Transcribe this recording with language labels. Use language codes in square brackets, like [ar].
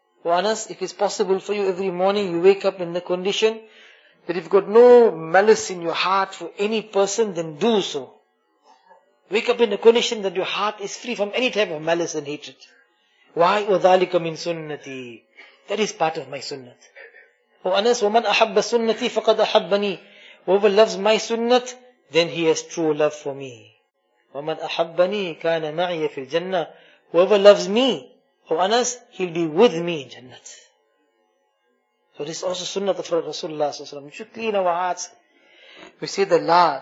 [en] O Anas, if it's possible for you every morning, you wake up in the condition that you've got no malice in your heart for any person, then do so. Wake up in the condition that your heart is free from any type of malice and hatred. Why? [ar] وَذَلِكَ مِنْ سُنَّتِي. [en] That is part of my sunnat. [ar] O Anas, وَمَنْ أَحَبَّ سُنَّتِي فَقَدْ أَحَبَّنِي. [en] Whoever loves my sunnat, then he has true love for me. [ar] وَمَنْ أَحَبَّنِي كَانَ مَعِيَ فِي الْجَنَّةِ. [en] Whoever loves me, O Anas, he'll be with me in Jannat. So this is also sunnah of Rasulullah sallallahu alaihi wasallam. We should clean our hearts. We say the la.